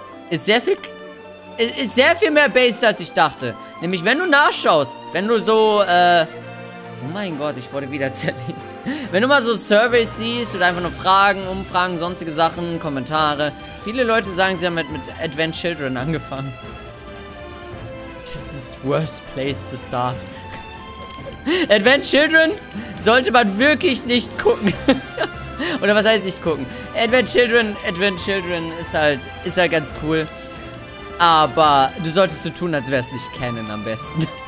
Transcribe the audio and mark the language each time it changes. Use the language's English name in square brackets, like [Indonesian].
[German] ist sehr viel mehr based, als ich dachte. Nämlich, wenn du nachschaust, wenn du so, oh mein Gott, ich wurde wieder zerlegt. Wenn du mal so Surveys siehst oder einfach nur Fragen, Umfragen, sonstige Sachen, Kommentare. Viele Leute sagen, sie haben mit Advent Children angefangen. [English] This is the worst place to start. [German] Advent Children sollte man wirklich nicht gucken. Oder was heißt nicht gucken? Advent Children ist halt ganz cool. Aber du solltest so tun, als wär's nicht canon am besten.